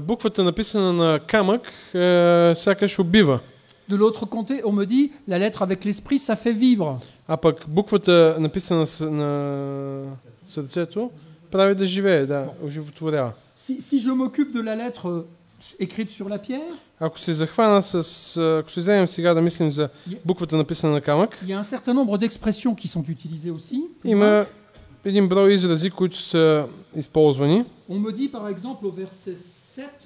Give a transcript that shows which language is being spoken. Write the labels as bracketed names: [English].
[Bulgarian] Буквата написана на камък сякаш убива. [French] De l'autre côté, on me dit la lettre avec l'esprit, ça fait vivre. [Bulgarian] А пък буквата написана на сърцето прави да живее, да, оживотворява. [French] Si je m'occupe de la lettre écrite sur la pierre? [Bulgarian] Ако се вземем сега да мислим за буквата написана на камък. [French] Il y a un certain nombre d'expressions qui sont utilisées aussi. [Bulgarian] Един брой изрази, които са използвани. [French] On me dit, par exemple, au verset 7,